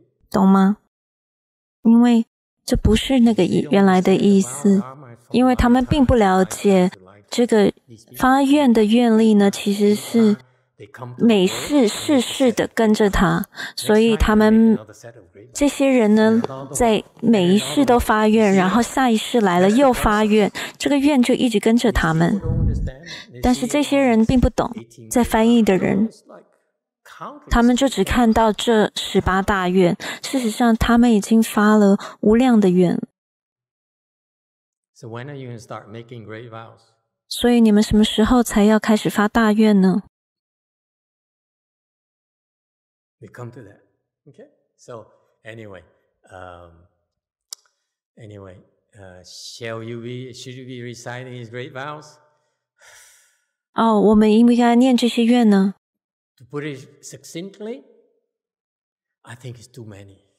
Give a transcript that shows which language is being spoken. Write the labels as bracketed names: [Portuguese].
[Chinese] 懂吗？因为这不是那个原来的意思，因为他们并不了解这个发愿的愿力呢，其实是每世世世的跟着他，所以他们这些人呢，在每一世都发愿，然后下一世来了又发愿，这个愿就一直跟着他们。但是这些人并不懂，在翻译的人，他们就只看到这十八大愿，事实上他们已经发了无量的愿。 [English] So when are you going to start making great vows? [Chinese] 所以你们什么时候才要开始发大愿呢？ [English] We come to that. Okay. So anyway, should you be reciting his great vows? [Chinese] 哦，我们应不应该念这些愿呢？ [English] To put it succinctly, I think it's too many.